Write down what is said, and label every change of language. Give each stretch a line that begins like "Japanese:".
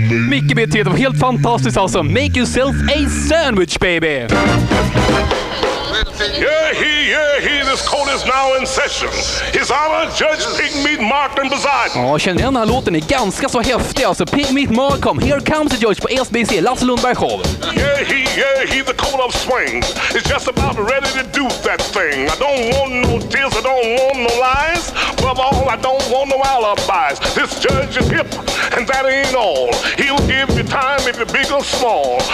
Swedish: Micke BT, det var helt fantastiskt alltså.
English: Make yourself a sandwich, baby. Yeah he, this call is now in session. His honor, Judge Pigmeat Markman beside.
Swedish: Ja, känner den här låten är ganska så häftig alltså.
English: Pigmeat Markman, here comes the judge på SBC, Lasse Lundberg Show. Yeah he, the call of swings is just about ready to do that thing. I don't want no tears, I don't want no lies. Above all, I don't want no alibis. This judge is hip, and that ain't all. He'll give you time if you're big or small.